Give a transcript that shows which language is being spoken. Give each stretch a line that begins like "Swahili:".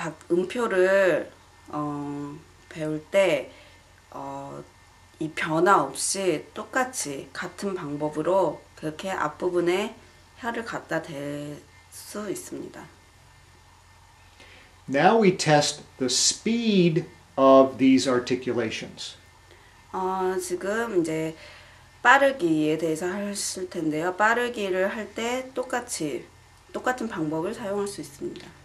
Korean: 음표를 배울 때 이 변화 없이 똑같이 같은 방법으로 그렇게 앞부분에 혀를 갖다 댈 수 있습니다.
English: Now we test the speed of these articulations.
Korean: 지금 이제 빠르기에 대해서 하실 텐데요. 빠르기를 할 때 똑같은 방법을 사용할 수 있습니다.